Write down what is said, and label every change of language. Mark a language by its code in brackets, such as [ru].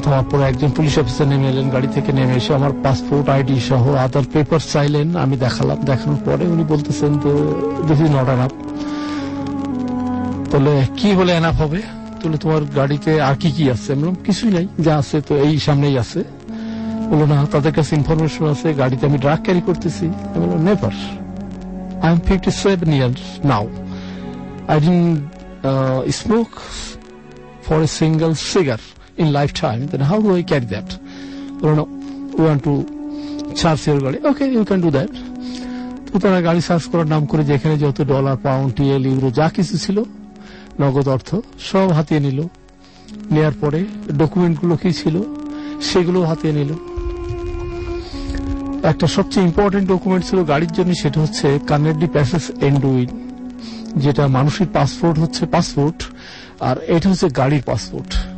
[bn] থামার পরে একজন পুলিশ অফিসার নেমে এলেন গাড়ি থেকে, নেমে এসে আমার পাসপোর্ট আইডি সহ আদার পেপার চাইলেন, আমি দেখালাম। দেখানোর পরে উনি বলতেছেন তো [en] this is not enough, [bn] বলে কি হলে এনাফ হবে, তাহলে তোমার গাড়িতে আর কি কি আছে? বললাম কিছুই নাই, যা আছে তো এই সামনেই আছে। বললো না, তাদের কাছে ইনফরমেশন আছে গাড়িতে আমি ড্রাগ ক্যারি করতেছি। আমি বললাম never, [en] I am 57 years now. I didn't smoke for a single cigarette in lifetime. Then how do I carry that? Or no, we want to charge your car. Okay, you can do that. [bn] তো তারা গাড়ি charge করার নাম করে যেখানে যত dollar pound TL euro যা কিছু ছিল নগদ অর্থ সব হাতিয়ে নিল। নেয়ার পরে ডকুমেন্টগুলো কি ছিল সেগুলো হাতিয়ে নিল। একটা সবচেয়ে ইম্পর্টেন্ট ডকুমেন্ট ছিল গাড়ির জন্য, সেটা হচ্ছে কানাডি প্যাসেজ এন্ডুইন, যেটা মানুষের পাসপোর্ট হচ্ছে পাসপোর্ট আর এটা হচ্ছে গাড়ির পাসপোর্ট।